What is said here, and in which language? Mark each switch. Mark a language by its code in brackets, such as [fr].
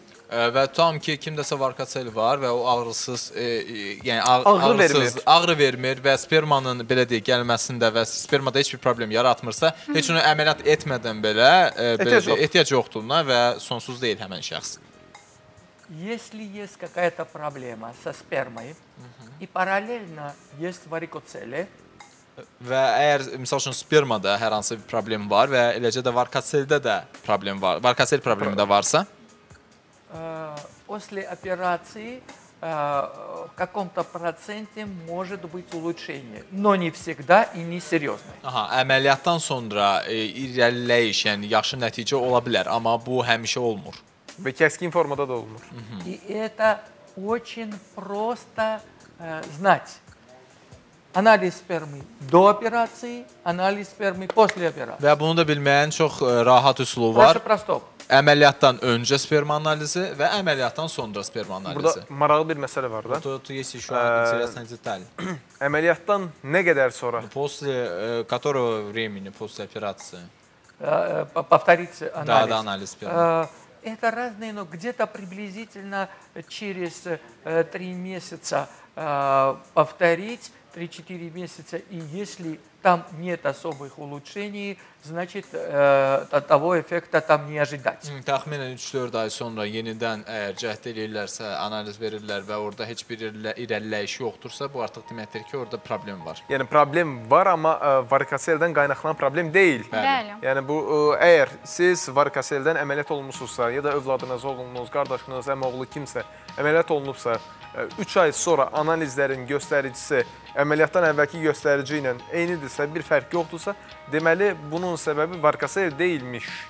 [az] Və tam ki, kimdəsə varikosel var və o ağrısız, yəni ağrısız, ağrı vermir və spermanın gəlməsində və spermada heç bir problem yaratmırsa, heç onu əməliyyat etmədən belə ehtiyac yoxdur və sonsuz deyil həmən şəxs. [ru] Если есть какая-то проблема со спермой и параллельно есть варикоцеле, [az] Və əgər, misal üçün, spermada hər hansı bir problem var və eləcə də varikoseldə də problem var, varikosel problemi də varsa, [ru] После операции в каком-то проценте может быть улучшение, но не всегда и не серьезно. [az] Ага, əməliyyatdan sonra irəliləyiş, yəni yaxşı nəticə ola bilər, amma bu həmişə olmur. Və kəskin formada da olmur. [ru] И это очень просто знать. Анализ спермы до операции, анализ спермы после операции. [az] Və bunu da bilməyən çox rahat üsulu var. Əməliyyatdan öncə sperma analizi və əməliyyatdan sonra sperma analizi. Burada maraqlı bir məsələ var da. Əməliyyatdan nə qədər sonra? [ru] После которого времени, после операции. Повторить анализ. Да, да, анализ первый. Это разные, но где-то приблизительно через 3 месяца повторить, 3-4 месяца, и если там нет особых улучшений, значит, того эффекта там не ожидать. [az] Тахминен 3-4 ай sonra yeniden eğer cəhd edirlərsə, analiz verirlər və orada heç bir irəliləyiş yoxdursa, bu artıq deməkdir ki, orada problem var. Yəni problem var, amma varikoseldən qaynaqlanan problem deyil. Bəli. Yəni bu əgər siz varikoseldən əməliyyat olunmuşsa ya da övladınız, oğlunuz, qardaşınız, əmioğlu kimsə əməliyyat olunubsa, 3 ay sonra analizlərin göstəricisi əməliyyatdan əvvəlki göstərici ilə eynidirsə, bir fərq yoxdursa, deməli bunun səbəbi varikosel deyilmiş.